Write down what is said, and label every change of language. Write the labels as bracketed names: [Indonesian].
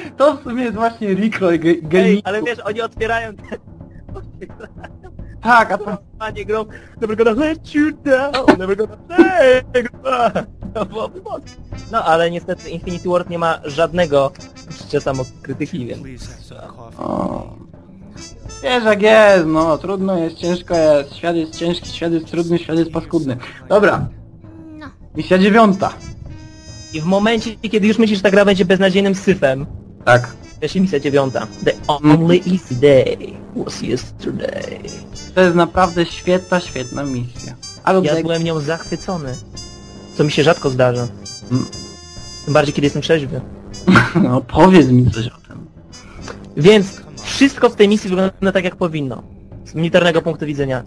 [Polish] To w sumie jest właśnie Rickroll gaming. Ale wiesz, oni otwierają te... Tak, a to... Panie grą, [English] never gonna let you down, never gonna take you down. [Polish] No, ale niestety Infinity Ward nie ma żadnego życia samokrytyki, więc... Wiesz jak jest, no, trudno jest, ciężko jest. Świat jest ciężki, świat jest trudny, świat jest paskudny. Dobra. Misja dziewiąta. I w momencie, kiedy już myślisz, że ta gra będzie beznadziejnym syfem. Tak. Jeszcze misja dziewiąta. [English] The only easy day was yesterday. [Polish] To jest naprawdę świetna, świetna misja. Ale ja byłem nią zachwycony. Co mi się rzadko zdarza. Tym bardziej, kiedy jestem trzeźwy. No powiedz mi coś o tym. Więc wszystko w tej misji wygląda tak, jak powinno. Z militarnego punktu widzenia.